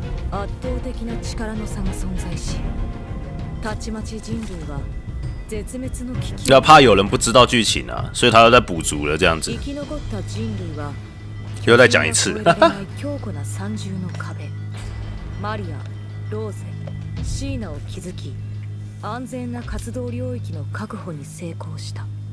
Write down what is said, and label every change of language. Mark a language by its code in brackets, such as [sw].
[ja] 圧倒的な力の差が存在し、たちまち人類は絶滅の危機。 [zh] 要怕有人不知道剧情啊，所以他又在补足了这样子。 [ja] 生き残った人類は、 [zh] 又再讲一次。 [ja] 強固な三重の壁、マリア、ローゼ、シーナを築き、安全な活動領域の確保に成功した。